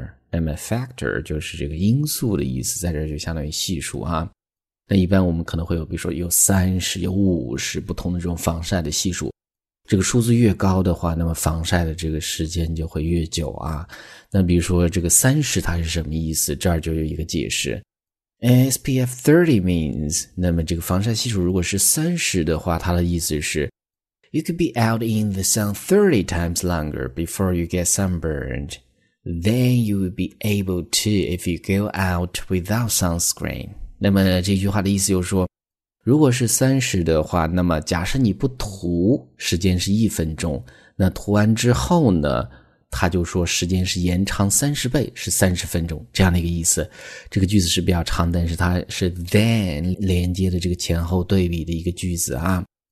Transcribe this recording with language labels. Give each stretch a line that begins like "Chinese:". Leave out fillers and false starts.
Chinese: 那么 factor 就是这个因素的意思，在这就相当于系数啊。那一般我们可能会有比如说有30有50不同的这种防晒的系数，这个数字越高的话，那么防晒的这个时间就会越久啊。那比如说这个30它是什么意思，这儿就有一个解释。
English: SPF 30 means，
Chinese: 那么这个防晒系数如果是30的话，它的意思是
English: You could be out in the sun 30 times longer before you get sunburned then you will be able to if you go out without sunscreen。
Chinese: 那么这句话的意思就是说，如果是30的话，那么假设你不涂，时间是一分钟，那涂完之后呢，他就说时间是延长30倍，是30分钟，这样的一个意思。这个句子是比较长，但是它是 then 连接的这个前后对比的一个句子啊。